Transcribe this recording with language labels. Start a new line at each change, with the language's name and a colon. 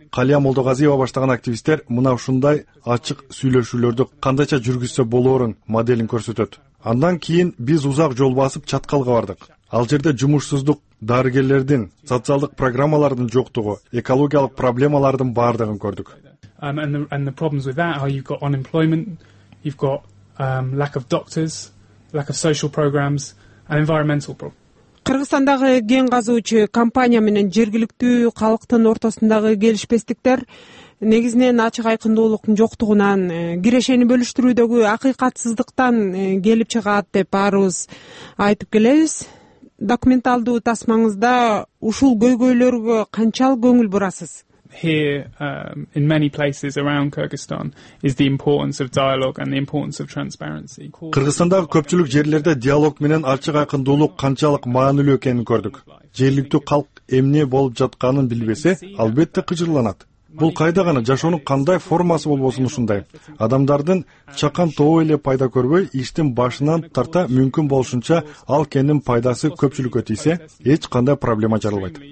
Kyrgyz: Калия Молдогазиева баштаган активисттер мына ушундай ачык сүйлөшүүлөрдү кандайча жүргүзсө болоорун моделин көрсөтөт. Андан кийин биз узак жол басып чаткалга бардык. Ал жерде жумушсуздук, дарыгерлердин, социалдык программалардын жоктугу, экологиялык проблемалардын бардыгын көрдүк.
English: And the problems with that are you've got unemployment, you've got lack of doctors, lack of social programs and environmental problems.
Kyrgyz: Кыргызстандагы ген казуучу компания менен жергиликтүү калктын ортосундагы келишпестиктер негизинен ачык айкындуулуктун жоктугунан, кирешени бөлүштүрүүдөгү акыйкатсыздыктан келип чыгат деп баарыбыз айтып келебиз. Документалдуу тасмаңызда ушул көйгөйлөргө канчалык көңүл бурасыз?
English: Here, in many places around Kyrgyzstan, is the importance of dialogue and the importance of transparency.
Kyrgyz: Кыргызстандагы көпчүлүк жерлерде диалог менен ачык айкындуулук канчалык маанилүү экенин көрдүк. Жергиликтүү калк эмне болуп жатканын билбесе, албетте кыжырланат. Бул кайда гана жашоонун кандай формасы болбосун ушундай. Адамдардын чакан тобу эле пайда көрбөй, иштин башынан тарта мүмкүн болушунча ал кенин пайдасы көпчүлүккө тийсе, эч кандай проблема жаралбайт.